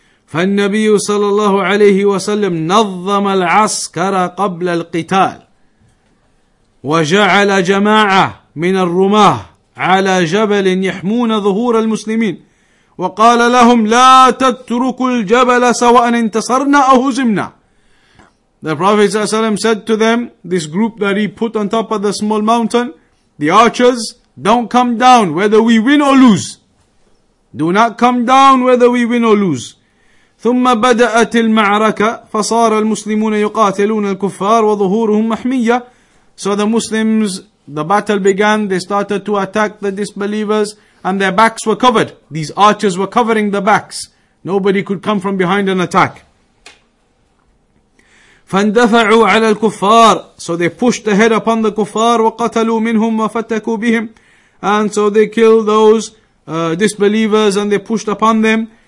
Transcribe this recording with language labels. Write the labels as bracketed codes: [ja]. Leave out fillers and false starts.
[ar] فَالنَّبِيُّ صَلَى اللَّهُ عَلَيْهِ وَسَلَّمُ نَظَّمَ الْعَسْكَرَ قَبْلَ الْقِتَالِ وَجَعَلَ جَمَاعَةً مِنَ الرُّمَاهِ عَلَى جَبَلٍ يَحْمُونَ ظُهُورَ الْمُسْلِمِينَ وقال لهم لا تتركوا الجبل سواء انتصرنا أو هزمنا. [en] The Prophet ﷺ said to them, this group that he put on top of the small mountain, the archers, don't come down whether we win or lose. Do not come down whether we win or lose. [ar] ثم بدأت المعركة فصار المسلمون يقاتلون الكفار وظهورهم محمية. [en] So the Muslims, the battle began, they started to attack the disbelievers, and their backs were covered. These archers were covering the backs. Nobody could come from behind and attack. [ar] فَانْدَفَعُوا عَلَى الْكُفَّارِ [en] So they pushed ahead upon the kuffar, [ar] وَقَتَلُوا مِنْهُمْ وَفَتَّكُوا بِهِمْ [en] And so they killed those disbelievers and they pushed upon them.